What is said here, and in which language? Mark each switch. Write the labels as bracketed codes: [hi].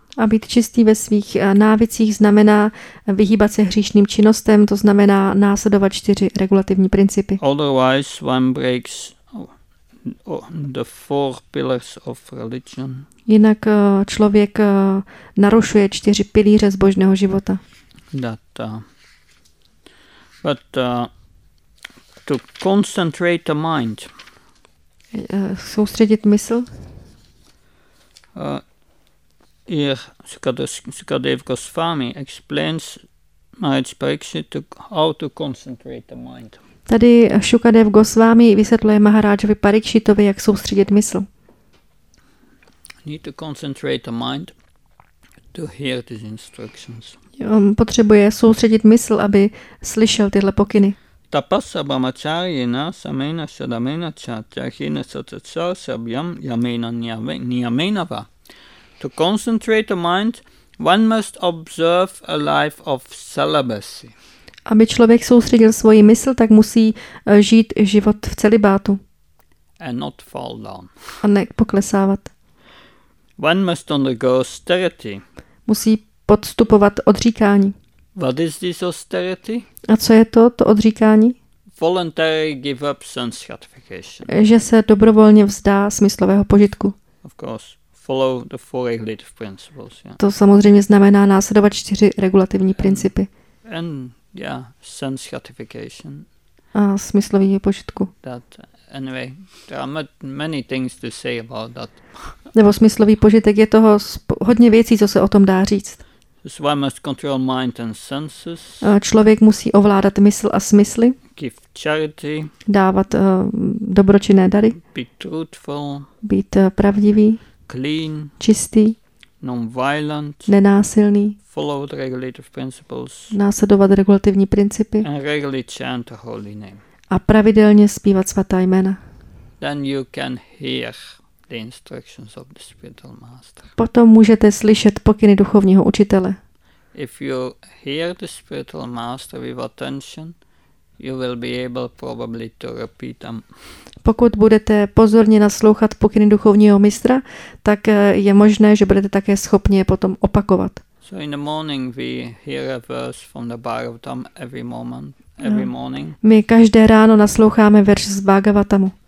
[cs] A být čistý ve svých návycích znamená vyhýbat se hříšným činnostem, to znamená následovat čtyři regulativní principy. [en] Otherwise one breaks the four pillars of religion. [cs] Jinak člověk narušuje čtyři pilíře zbožného života. [en] That, but to concentrate the mind. [cs] Soustředit mysl. [en] Here Sukadev Goswami explains Maharaj Parikshit how to concentrate the mind. [cs] Tady Sukadev Goswami vysvětluje Maharajovi Parikshitovi, jak soustředit mysl. [en] Need to concentrate the mind to hear these instructions. [cs] On potřebuje soustředit mysl, aby slyšel tyhle pokyny. [sa] Tapasa brahmacharyena samena sadamena chatyahina satsa sabyam yamena niyamenava. [en] To concentrate the mind, one must observe a life of celibacy. [cs] Aby člověk soustředil svoji mysl, tak musí žít život v celibátu. [en] And not fall down. [cs] A nepoklesávat. [en] One must undergo austerity. [cs] Musí podstupovat odříkání. [en] What is this austerity? [cs] A co je to odříkání? [en] Voluntary give up sense gratification. [cs] Že se dobrovolně vzdá smyslového požitku. [en] Of course. Follow the four regulative principles. Yeah. [cs] To samozřejmě znamená následovat čtyři regulativní principy. [en] And sense gratification. [cs] A smyslový požitku. [en] That anyway, there are many things to say about that. [cs] Nebo smyslový požitek, je toho hodně věcí, co se o tom dá říct. [en] So one must control mind and senses. [cs] Člověk musí ovládat mysl a smysly. [en] Give charity. [cs] Dávat dobročinné dary. [en] Be truthful. [cs] Být pravdivý. [en] Clean, [cs] čistý, [en] non-violent, [cs] nenásilný, [en] follow the regulative principles, [cs] následovat regulativní principy, [en] and regularly chant the holy name. [cs] A pravidelně zpívat svatá jména. [en] Then you can hear the instructions of the spiritual master. [cs] Potom můžete slyšet pokyny duchovního učitele. [en] If you hear the spiritual master with attention, you will be able probably to repeat them. [cs] Pokud budete pozorně naslouchat pokyny duchovního mistra, tak je možné, že budete také schopni je potom opakovat. [en] So in the morning we hear a verse from the Bhagavatam every moment, every morning. [cs] My každé ráno nasloucháme verš z Bhagavatamu.